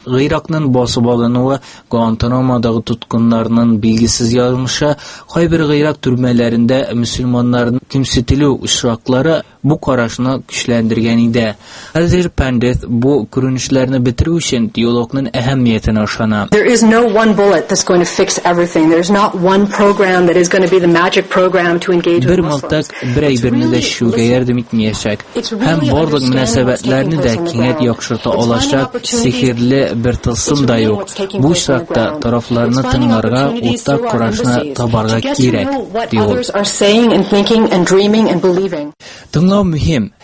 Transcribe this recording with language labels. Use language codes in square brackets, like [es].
[tt] Гыйракның басып алынуы, Гуантанамодагы тоткыннарның билгесез язмышы, кайбер гыйрак төрмәләрендә мусульманнарны кимсетелү очраклары бу карашны көчләндергән иде. Хәзер Пандит бу күренешләрне бетерү өчен диалогның әһәмиятенә ышана. [en] There is no one bullet that's going to fix everything. There's not one program that is going to be the magic program to engage with. [tt] Бер мылтык бер әйберне дә шуга ярдәм итмәячәк. Һәм барлык мөнәсәбәтләрне дә киңәйтә яхшырта алачак. Сихирле бер тылсым да юк. Бу шартта тарафларны тыңларга, уртак курашына табарга кирәк, ди ул. Тыңлау мөһим.